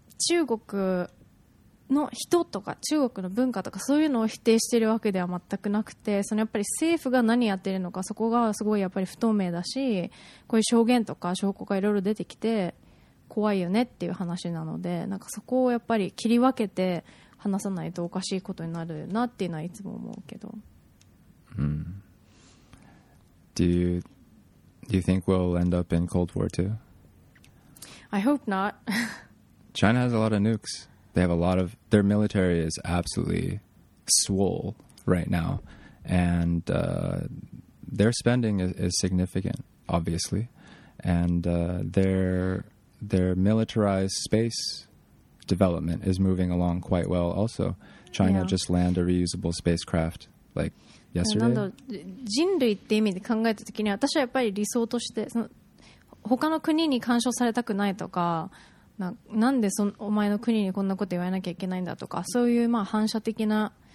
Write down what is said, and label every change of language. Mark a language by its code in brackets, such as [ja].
[ja] 中国の人とか中国の文化とかそういうのを否定しているわけでは全くなくて、そのやっぱり政府が何やってるのか、そこがすごいやっぱり不透明だし、こういう証言とか証拠がいろいろ出てきて怖いよねっていう話なので、なんかそこをやっぱり切り分けて話さないとおかしいことになるなっていうのはいつも思うけど、 [en] Do you think we'll end up in Cold War too? I hope not. China has a lot of nukes. They have a lot of, their military is absolutely swole right now. And their spending is significant, obviously. And their militarized space development is moving along quite well also. China just landed a reusable spacecraft like yesterday. [ja] 人類って意味で考えた時に私はやっぱり理想としてその他の国に干渉されたくないとか なんでそお前の国にこんなこと言わなきゃいけないんだとかそういうまあ反射的な